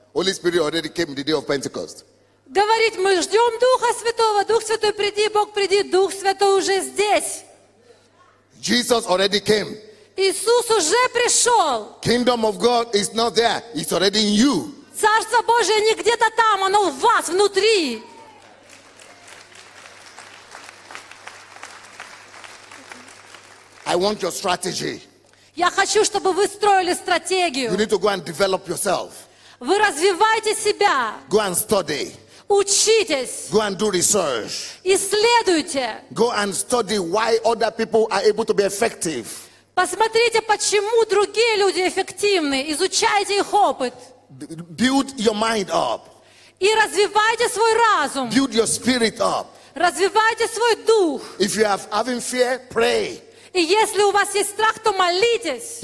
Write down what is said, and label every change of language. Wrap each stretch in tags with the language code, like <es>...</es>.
<en>Holy Spirit already came the day of Pentecost.</en> <ru>Говорить, мы ждем Духа Святого. Дух Святой, приди, Бог, приди. Дух Святой уже здесь.</ru> <en>Jesus already came.</en> <ru>Иисус уже пришел.</ru> <en>Kingdom of God is not there. It's already in you.</en> <ru>Царство Божие не где-то там, оно в вас внутри.</ru> <en>I want your strategy.</en> <ru>Я хочу, чтобы вы строили стратегию.</ru> <en>You need to go and develop yourself.</en> <ru>Вы развиваете себя.</ru> <en>Go and study.</en> <ru>Учитесь.</ru> <en>Go and do research.</en> <ru>Исследуйте.</ru> <en>Go and study why other people are able to be effective.</en> <ru>Посмотрите, почему другие люди эффективны. Изучайте их опыт.</ru> <en>Build your mind up.</en> <ru>И развивайте свой разум.</ru> <en>Build your spirit up.</en> <ru>Развивайте свой дух.</ru> <en>If you have having fear, pray.</en> <ru>И если у вас есть страх, то молитесь.</ru>